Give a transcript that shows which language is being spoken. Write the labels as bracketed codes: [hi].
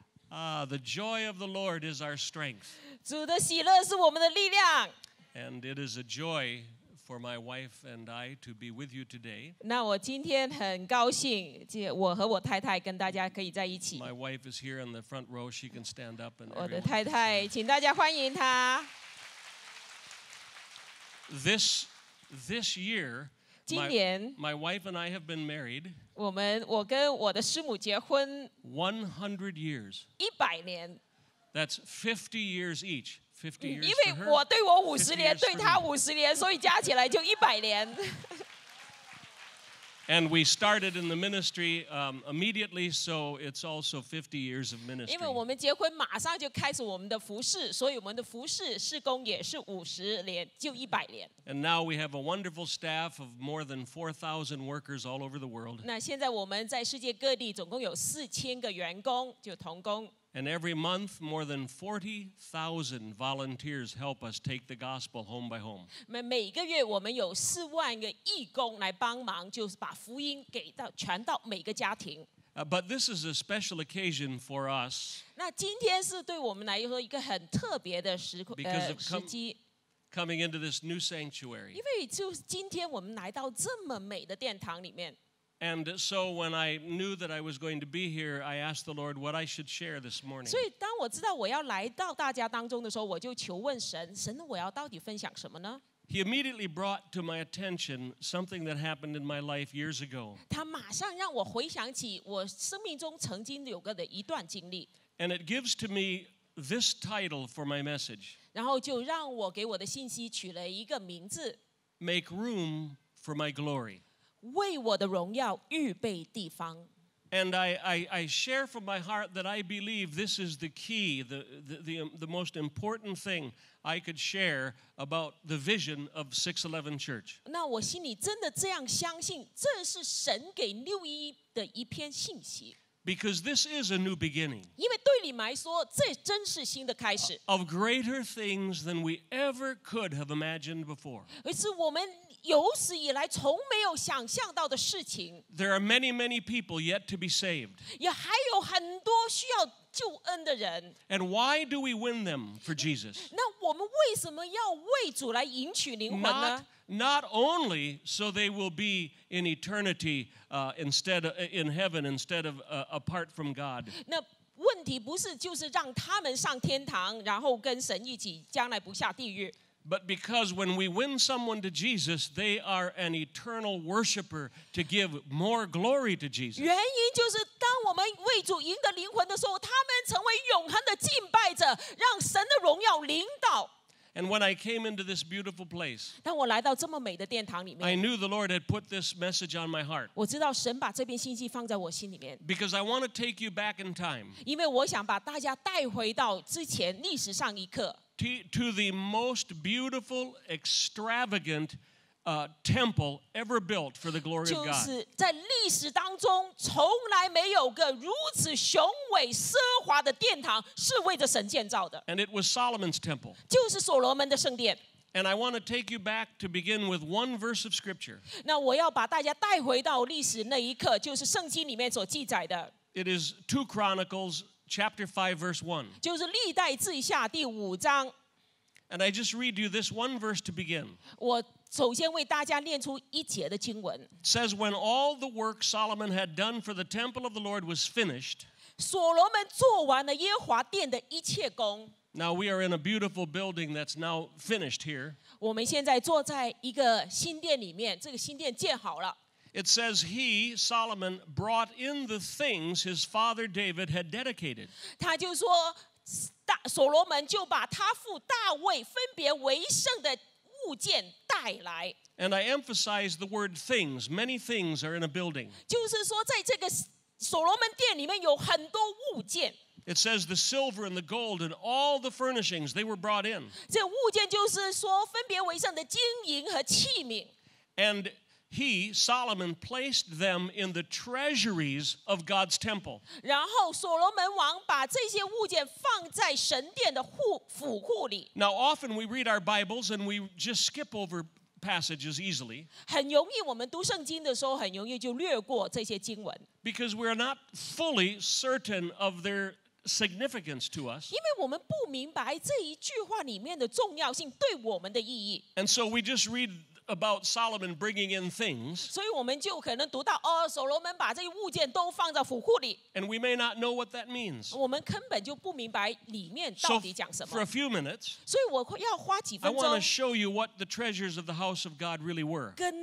[en] Ah, the joy of the Lord is our strength. [zh] 主的喜乐是我们的力量。 [en] And it is a joy for my wife and I to be with you today. [zh] 那我今天很高兴，我和我太太跟大家可以在一起。 [en] My wife is here in the front row. She can stand up. And [zh] 我的太太，请大家欢迎她。 [en] This year, [zh] 今年 [en] my wife and I have been married. [zh] 我跟我的师母结婚 [en] 100 years. [zh] 100年。 [en] That's 50 years each. 50 years. [zh] 因为我对我五十年，对他五十年，所以加起来就100年。 [en] And we started in the ministry immediately, so it's also 50 years of ministry. [zh] 因为我们结婚马上就开始我们的服事，所以我们的服事事工也是五十年，就一百年。 [en] And now we have a wonderful staff of more than 4,000 workers all over the world. [zh] 那现在我们在世界各地总共有4000个员工，就同工。 [en] And every month, more than 40,000 volunteers help us take the gospel home by home. [zh] 每个月我们有四万个义工来帮忙，就是把福音给到传到每个家庭。 [en] But this is a special occasion for us. [zh] 那今天是对我们来说一个很特别的时机。 [en] Coming into this new sanctuary. [zh] 因为就今天我们来到这么美的殿堂里面。 [en] And so when I knew that I was going to be here, I asked the Lord what I should share this morning. [zh] 所以当我知道我要来到大家当中的时候，我就求问神，神，我要到底分享什么呢？ [en] He immediately brought to my attention something that happened in my life years ago. [zh] 他马上让我回想起我生命中曾经有过的一段经历。 [en] And it gives to me this title for my message. [zh] 然后就让我给我的信息取了一个名字。 [en] Make room for my glory. [zh] 为我的荣耀预备地方。 [en] And I share from my heart that I believe this is the key, the most important thing I could share about the vision of 611 Church. [zh] 那我心里真的这样相信，这是神给611的一篇信息。 [en] Because this is a new beginning. [zh] 因为对你来说，这真是新的开始。 [en] Of greater things than we ever could have imagined before. [zh] 而是我们有史以来从没有想象到的事情。 [en] There are many, many people yet to be saved. [zh] 也还有很多需要救恩的人。 [en] And why do we win them for Jesus? [zh] 那我们为什么要为主来赢取灵魂呢？ [en] Not only so they will be in eternity instead of, in heaven instead of apart from God. [zh] 那问题不是就是让他们上天堂，然后跟神一起，将来不下地狱。 [en] But because when we win someone to Jesus, they are an eternal worshiper to give more glory to Jesus. [zh] 原因就是当我们为主赢得灵魂的时候，他们成为永恒的敬拜者，让神的荣耀领导。 [en] And when I came into this beautiful place, [zh] 当我来到这么美的殿堂里面， [en] I knew the Lord had put this message on my heart. [zh] 我知道神把这篇信息放在我心里面。 [en] Because I want to take you back in time. [zh] 因为我想把大家带回到之前历史上一刻。 [en] To the most beautiful, extravagant temple ever built for the glory of God. [zh] 就是在历史当中从来没有个如此雄伟奢华的殿堂是为着神建造的。 [en] And it was Solomon's temple. [zh] 就是所罗门的圣殿。 [en] And I want to take you back to begin with one verse of scripture. [zh] 那我要把大家带回到历史那一刻，就是圣经里面所记载的。 [en] It is 2 Chronicles chapter 5 verse 1. [zh] 就是历代志下第五章。 [en] And I just read you this one verse to begin. [zh] 我首先为大家念出一节的经文。 [en] It says, when all the work Solomon had done for the temple of the Lord was finished, [zh] 所罗门做完了耶和华殿的一切工。 [en] Now we are in a beautiful building that's now finished here. [zh] 我们现在坐在一个新殿里面，这个新殿建好了。 [en] It says he, Solomon, brought in the things his father David had dedicated. [zh] 他就说所罗门就把他父大卫分别为圣的物件带来。 [en] And I emphasize the word things. Many things are in a building. [zh] 就是说在这个所罗门殿里面有很多物件。 [en] It says the silver and the gold and all the furnishings, they were brought in. [zh] 这物件就是说分别为圣的金银和器皿。 [en] And he, Solomon, placed them in the treasuries of God's temple. [zh] 然后所罗门王把这些物件放在神殿的府库里。 [en] Now often we read our Bibles and we just skip over passages easily. [zh] 很容易我们读圣经的时候很容易就略过这些经文。 [en] Because we are not fully certain of their significance to us. [zh] 因为我们不明白这一句话里面的重要性对我们的意义。 [en] And so we just read about Solomon bringing in things. [zh] 所以我们就可能读到，哦，所罗门把这些物件都放在府库里。 [en] And we may not know what that means. [zh] 我们根本就不明白里面到底讲什么。 [en] So for a few minutes, [zh] 所以我要花几分钟。 [en] I want to show you what the treasures of the house of God really were.